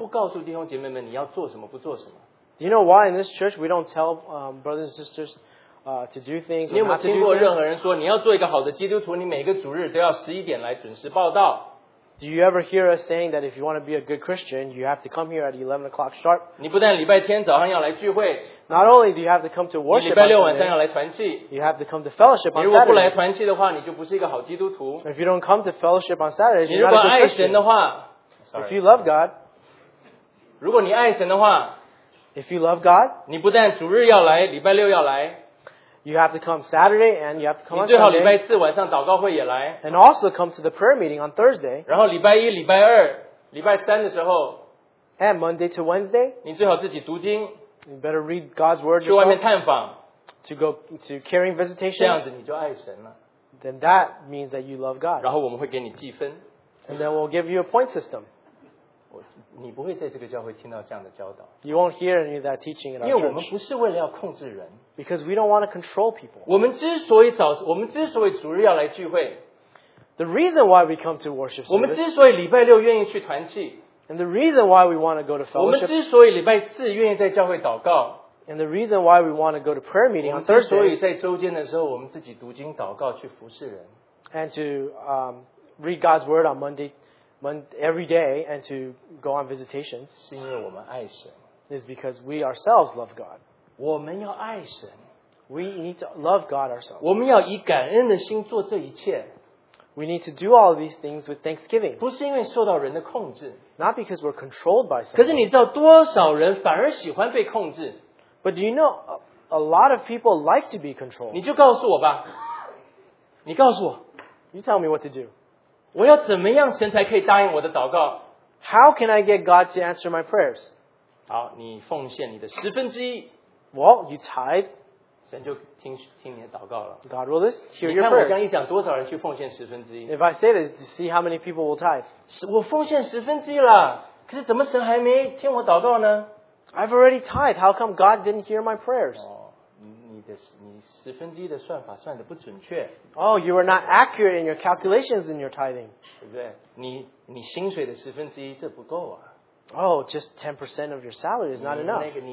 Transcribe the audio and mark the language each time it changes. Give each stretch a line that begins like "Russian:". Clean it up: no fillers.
Chinese: 你知道为什么我们在这个教会里面,我们不告诉弟兄姐妹们你要做什么,不做什么?
English: Do you know why in this church we don't tell brothers and sisters to do things?
Chinese: 你有没有听过任何人说你要做一个好的基督徒,你每个主日都要11点来准时报道?
English: Do you ever hear us saying that if you want to be a good Christian, you have to come here at 11 o'clock sharp?
Chinese: 你不但礼拜天早上要来聚会,
English: not only do you have to come to worship,
Chinese: 你礼拜六晚上要来团契,
English: you have to come to fellowship on Saturday.
Chinese: 你如果不来团契的话,
English: if you don't come to fellowship on Saturday, you're not a good Christian.
Chinese: 你如果爱神的话,
English: sorry, if you love God,
Chinese: 如果你爱神的话,
English: if you love God,
Chinese: 你不但主日要来, 礼拜六要来,
English: you have to come Saturday and you have to come on Sunday. And also come to the prayer meeting on Thursday.
Chinese: 然后礼拜一、礼拜二、礼拜三的时候,
English: and Monday to Wednesday.
Chinese: 你最好自己读经,
English: you better read God's word yourself.
Chinese: 去外面探访,
English: to go to caring visitation.
Chinese: 这样子你就爱神了,
English: then that means that you love God.
Chinese: 然后我们会给你计分,
English: and then we'll give you a point system.
Chinese: 你不会在这个教会听到这样的教导,
English: you won't hear any of that teaching in our church.
Chinese: 因为我们不是为了要控制人,
English: because we don't want to control people.
Chinese: 我们之所以主日要来聚会,
English: the reason why we come to worship service,
Chinese: 我们之所以礼拜六愿意去团契,
English: and the reason why we want to go to fellowship,
Chinese: 我们之所以礼拜四愿意在教会祷告,
English: and the reason why we want to go to prayer meeting on Thursday,
Chinese: 我们之所以在周间的时候, 我们自己读经祷告去服侍人,
English: and to read God's word on Monday, every day, and to go on visitations,
Chinese: 是因为我们爱神,
English: is because we ourselves love God.
Chinese: 我们要爱神,
English: we need to love God ourselves.
Chinese: 我们要以感恩的心做这一切,
English: we need to do all these things with thanksgiving.
Chinese: 不是因为受到人的控制,
English: not because we're controlled by someone.
Chinese: 可是你知道多少人反而喜欢被控制?
English: But do you know a lot of people like to be controlled?
Chinese: 你就告诉我吧, 你告诉我,
English: you tell me what to do.
Chinese: 我要怎么样神才可以答应我的祷告?
English: How can I get God to answer my prayers?
Chinese: 好, 你奇奉献你的十分之一,
English: well, you tithe,
Chinese: 神就听你的祷告了,
English: God will listen, hear your prayers.
Chinese: 你看我这样一讲多少人去奉献十分之一,
English: if I say this, you see how many people will tithe.
Chinese: 我奉献十分之一了, 可是怎么神还没听我祷告呢?
English: I've already tithe, how come God didn't hear my prayers?
Chinese: 你十分之一的算法算得不准确,
English: oh, you are not accurate in your calculations in your tithing.
Chinese: 你薪水的十分之一这不够啊,
English: oh, just 10% of your salary is not enough.